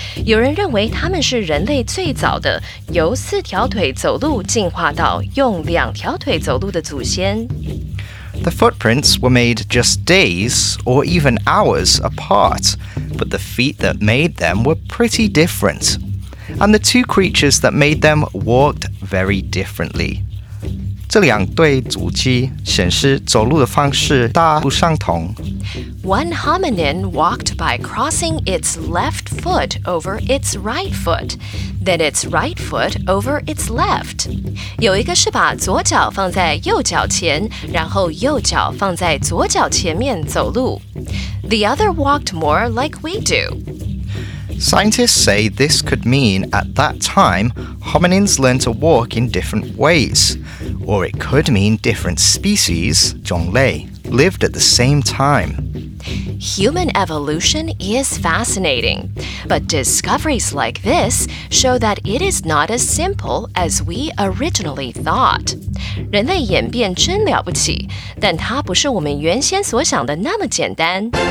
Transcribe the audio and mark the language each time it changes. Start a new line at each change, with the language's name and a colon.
Chinese: 有人认为他们是人类最早的由四条腿走路进化到用两条腿走路的祖先。
English: The footprints were made just days or even hours apart, but the feet that made them were pretty different. And the two creatures that made them walked very differently.
Chinese: 这两对足迹显示走路的方式大不相同。
English: One hominin walked by crossing its left foot over its right foot, then its right foot over its left.
Chinese: 有一个是把左脚放在右脚前，然后右脚放在左脚前面走路。
English: The other walked more like we do. Scientists say this could mean, at that time, hominins learned to walk in different ways. Or it could mean different species, 种类, lived at the same time. human evolution is fascinating. But discoveries like this show that it is not as simple as we originally thought.
Chinese: 人类演变真了不起，但它不是我们原先所想的那么简单。